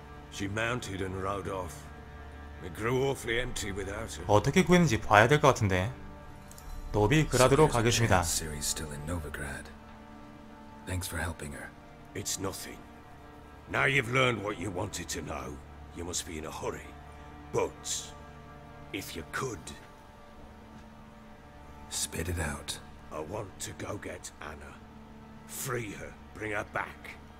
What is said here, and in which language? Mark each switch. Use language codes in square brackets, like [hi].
[en] She mounted and rode off. It grew awfully empty without her. [ko] 어떻게 구했는지 봐야 될 것 같은데. 노비그라드로 가겠습니다. [en] Siri's still in Novigrad. Thanks for helping her. It's nothing. Now you've learned what you wanted to know. You must be in a hurry. But if you could, spit it out. I want to go get Anna. Free her. Bring her back.